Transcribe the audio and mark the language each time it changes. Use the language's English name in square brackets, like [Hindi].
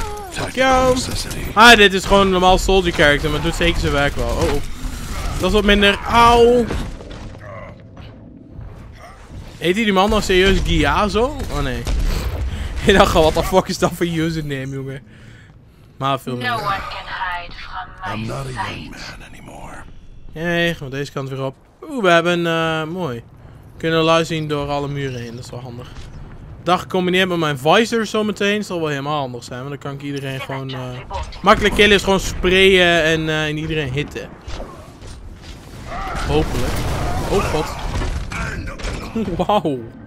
[Dutch] Fuck jou. Ah, dit is gewoon een normaal soldier character, maar het doet zeker zijn werk wel. Oh. Dat is wat minder. Auw. Heet die man nog serieus Giazo? Oh nee. Ik dacht al, wat de fuck is dat voor username, jongen? Maar veel meer. [English] I'm not a young man anymore. [Dutch] Nee, gaan we deze kant weer op. Oeh, we hebben een mooi. Kunnen luisteren door alle muren heen, dat is wel handig. Dag gecombineerd met mijn visor zometeen. Zal wel helemaal handig zijn, want dan kan ik iedereen gewoon. Makkelijk killen is gewoon sprayen en in iedereen hitten. Hopelijk. Oh god. Wauw.